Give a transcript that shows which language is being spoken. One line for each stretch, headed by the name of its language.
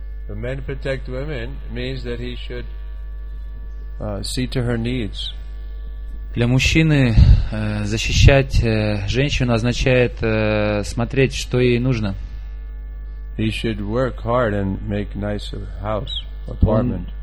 English: Men protect women means that he should see to her needs.
Russian: Для мужчины защищать женщину означает смотреть, что ей нужно.
English: He should work hard and make nicer house, apartment.